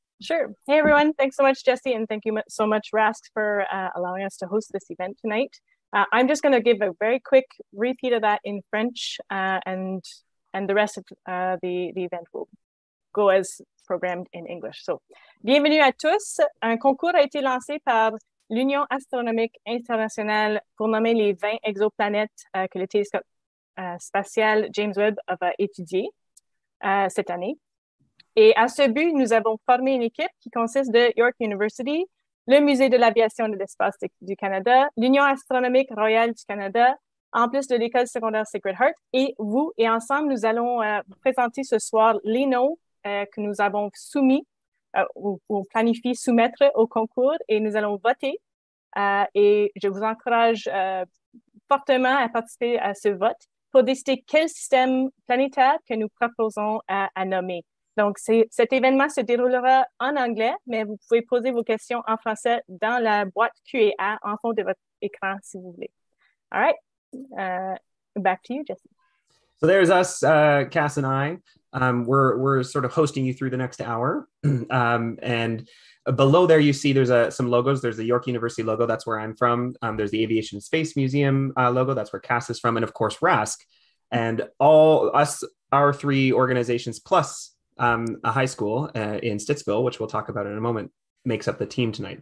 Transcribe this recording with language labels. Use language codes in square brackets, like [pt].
[en] Sure. Hey, everyone. Thanks so much, Jesse. And thank you so much, RASC, for allowing us to host this event tonight. I'm just going to give a very quick repeat of that in French, and the rest of the event will go as programmed in English. [fr] So, bienvenue à tous. Un concours a été lancé par l'Union Astronomique Internationale pour nommer les 20 exoplanètes que le télescope spatial James Webb va étudier cette année. Et à ce but, nous avons formé une équipe qui consiste de York University, le Musée de l'aviation et de l'espace du Canada, l'Union astronomique royale du Canada, en plus de l'école secondaire Sacred Heart, et vous. Et ensemble, nous allons vous présenter ce soir les noms que nous avons soumis ou planifié soumettre au concours, et nous allons voter. Et je vous encourage fortement à participer à ce vote pour décider quel système planétaire que nous proposons à nommer. Donc, cet événement se déroulera en anglais, mais vous pouvez poser vos questions en français dans la boîte Q&A en fond de votre écran, si vous voulez. [en] All right. Back to you, Jesse. So there's us, Cass and I. We're sort of hosting you through the next hour. And below there, you see there's some logos. There's the York University logo. That's where I'm from. There's the Aviation Space Museum logo. That's where Cass is from. And of course, RASC. And all us, our three organizations, plus a high school in Stittsville, which we'll talk about in a moment, makes up the team tonight.